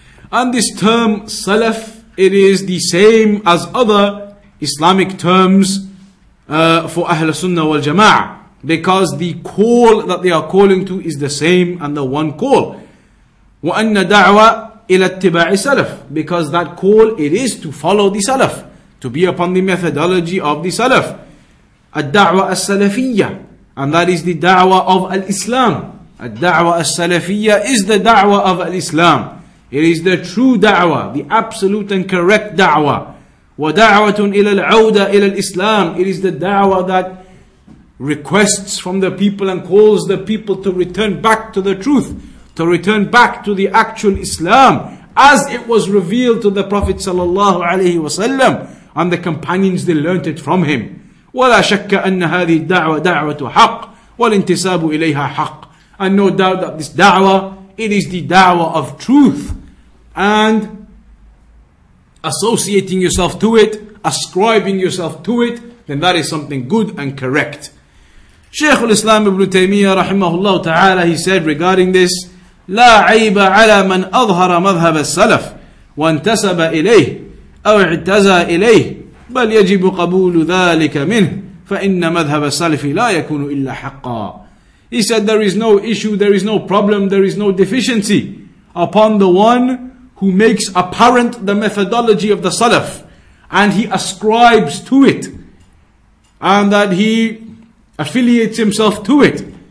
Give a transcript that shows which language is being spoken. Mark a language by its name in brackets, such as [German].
[English] And this term Salaf, it is the same as other Islamic terms for Ahl Sunnah wal Jama'ah, because the call that they are calling to is the same and the one call. [Arabic] وَأَنَّ دَعْوَى إِلَى اتِّبَاعِ السَّلَفِ. [English] Because that call, it is to follow the Salaf, to be upon the methodology of the Salaf. [Arabic] الدعوة السلفية. [English] And that is the دعوة of Al-Islam. [Arabic] الدعوة السلفية [English] is the دعوة of Al-Islam. It is the true da'wah, the absolute and correct da'wah. [Arabic] وَدَعْوَةٌ إِلَى الْعَوْدَ إِلَى الْإِسْلَامِ. [English] It is the da'wah that requests from the people and calls the people to return back to the truth, to return back to the actual Islam, as it was revealed to the Prophet sallallahu alayhi wasallam, and the companions, they learnt it from him. [Arabic] وَلَا شَكَّ أَنَّ هَذِهِ الدَّعْوَةُ دَعْوَةُ حَقٍّ وَالْإِنْتِسَابُ إِلَيْهَا حَقٍّ. [English] And no doubt that this da'wah, it is the da'wah of truth, and associating yourself to it, ascribing yourself to it, then that is something good and correct. Shaykh al-Islam ibn Taymiyyah rahimahullah ta'ala, he said regarding this, [Arabic] لا عيب على من أظهر مذهب السلف وانتسب إليه أو اعتزى إليه بل يجب قبول ذلك منه فإن مذهب السلف لا يكون إلا حقا. [English] He said, there is no issue, there is no problem, there is no deficiency upon the one who makes apparent the methodology of the Salaf and he ascribes to it and that he affiliates himself to it.